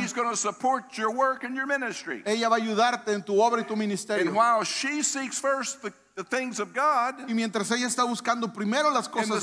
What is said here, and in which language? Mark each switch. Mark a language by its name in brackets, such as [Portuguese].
[English] she's going to support your work and your ministry. [Spanish] Ella va a ayudarte en tu obra y tu ministerio. [English] And while she seeks first the things of God, [Spanish] y mientras ella está buscando primero las cosas